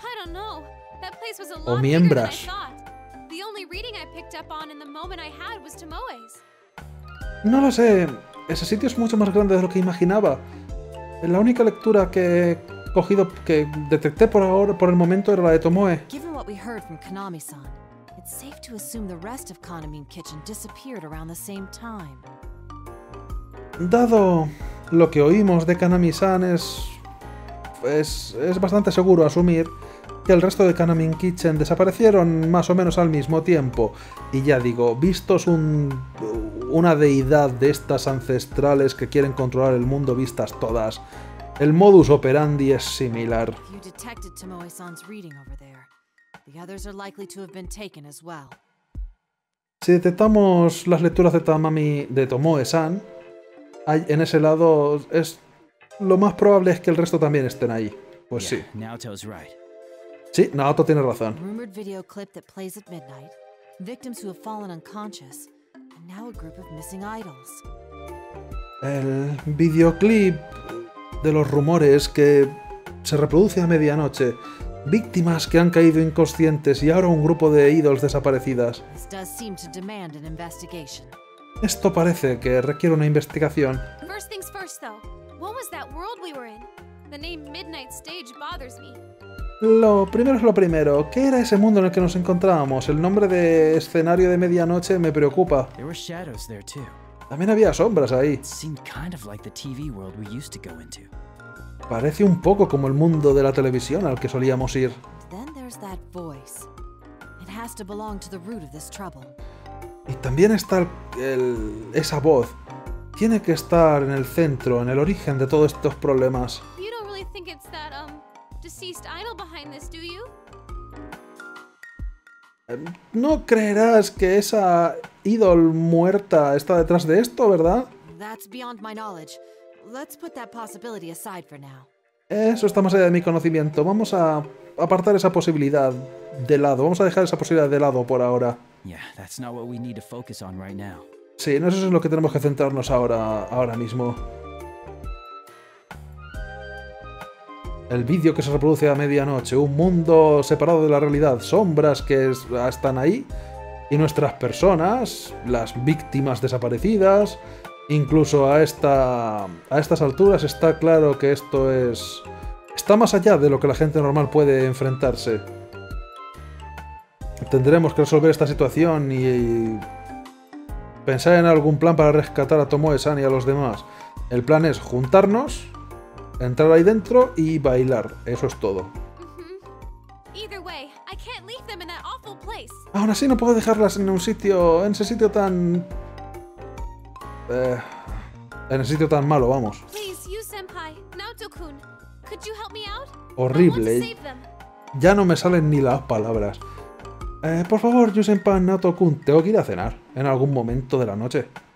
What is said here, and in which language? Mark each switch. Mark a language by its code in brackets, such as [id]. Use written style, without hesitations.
[es] No lo sé. Ese lugar era mucho más grande de lo que pensaba. La única lectura que pegué en el momento que tuve fue Tomoe's. No lo sé. Ese sitio es mucho más grande de lo que imaginaba. La única lectura que cogido que detecté por ahora, por el momento, era la de Tomoe. [en] Given what we heard from Konami-san, it's safe to assume the rest of Konamine Kitchen disappeared around the same time. [es] Dado lo que oímos de Konami-san, es bastante seguro asumir que el resto de Konamine Kitchen desaparecieron más o menos al mismo tiempo. Y ya digo, vistos una deidad de estas ancestrales que quieren controlar el mundo vistas todas, el modus operandi es similar. [en] You detected Tomoe-san's reading over there. The others are likely to have been taken as well. [es] Si detectamos las lecturas de Tamami de Tomoe-san, en ese lado, es lo más probable es que el resto también estén ahí. Pues sí. [en] Yeah, Naoto's right. [es] Sí, Naoto tiene razón. [en] Rumored video clip that plays at midnight, victims who have fallen unconscious, and now a group of missing idols. [es] El videoclip de los rumores que se reproduce a medianoche, víctimas que han caído inconscientes y ahora un grupo de ídolos desaparecidas. [en] This does seem to demand an investigation. [es] Esto parece que requiere una investigación. [en] First things first, though. What was that world we were in? The name Midnight Stage bothers me. [es] Lo primero es lo primero. ¿Qué era ese mundo en el que nos encontrábamos? El nombre de escenario de medianoche me preocupa. [en] There were shadows there too. [es] También había sombras ahí. [en] Seemed kind of like the TV world we used to go into. [es] Parece un poco como el mundo de la televisión al que solíamos ir. [en] Then there's that voice. It has to belong to the root of this trouble. [es] Y también está esa voz. Tiene que estar en el centro, en el origen de todos estos problemas. [en] You don't really think it's that, deceased idol behind this, do you? [es] No creerás que esa ídol muerta está detrás de esto, ¿verdad? [en] That's beyond my knowledge. Let's put that possibility aside for now. [es] Eso está más allá de mi conocimiento. Vamos a apartar esa posibilidad de lado. Vamos a dejar esa posibilidad de lado por ahora. [en] Yeah, that's not what we need to focus on right now. [es] Sí, no, eso es lo que tenemos que centrarnos ahora mismo. El vídeo que se reproduce a medianoche, un mundo separado de la realidad, sombras que están ahí, y nuestras personas, las víctimas desaparecidas. Incluso a estas alturas está claro que esto está más allá de lo que la gente normal puede enfrentarse. Tendremos que resolver esta situación y pensar en algún plan para rescatar a Tomoe-san y a los demás. El plan es juntarnos, entrar ahí dentro y bailar. Eso es todo. [en] Either way, I can't leave them in that awful place. [es] Aún así no puedo dejarlas en un sitio, en ese sitio tan... en ese sitio tan malo, vamos. [en] Please, you senpai, Naoto-kun, could you help me out? [es] Horrible. Ya no me salen ni las palabras. Por favor, Yusenpan, Naoto-kun, tengo que ir a cenar en algún momento de la noche.